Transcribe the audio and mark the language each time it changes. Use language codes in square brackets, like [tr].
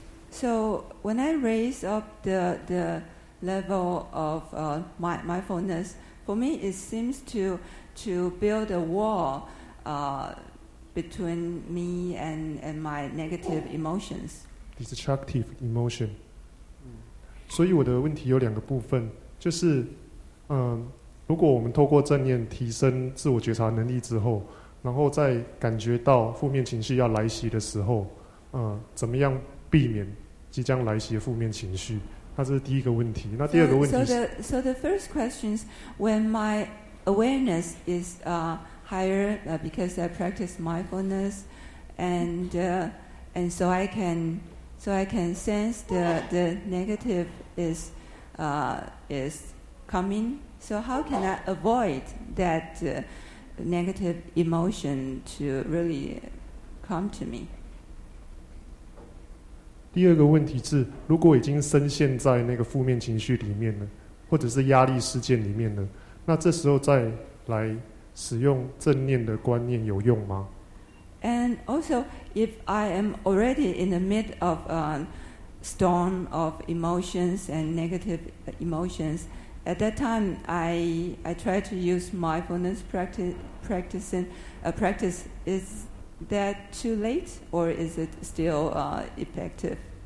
[en] So when I raise up the level of mindfulness, for me it seems to build a wall between me and my negative emotions. Destructive emotion. [zh] 所以我的问题有两个部分，就是如果我们透过正念提升自我觉察能力之后，然后在感觉到负面情绪要来袭的时候，怎么样避免即将来袭的负面情绪？那这是第一个问题。那第二个问题是 [en] So the first question is, when my awareness is higher because I practice mindfulness, and so I can sense the negative is coming. So how can I avoid that negative emotion to really come to me. [zh] 第二个问题是，如果已经深陷在那个负面情绪里面了，或者是压力事件里面了，那这时候再来使用正念的观念有用吗？ [en] And also, if I am already in the midst of a storm of emotions and negative emotions, at that time, I try to use mindfulness practice, is that too late, or is it still effective?